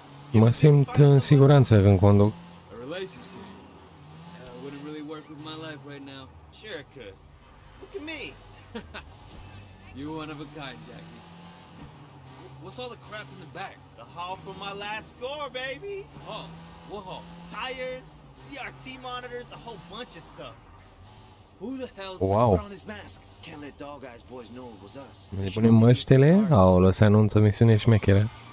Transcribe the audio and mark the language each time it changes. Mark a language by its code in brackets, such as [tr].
[ro] Mă simt în siguranță când conduc. [en] A relationship. Would it really work with my life right now? Sure it could. Look at me. You're one of a kind, Jackie. What's all the crap in the back? The haul from my last score, baby. Oh, what haul? Tires. CRT monitors, a whole bunch of stuff. Who the hell is wow. On his mask? Can't let Dog Eyes boys know it was us. [ro] Ne punem măștele? Aolo, se anunță misiune șmecheră.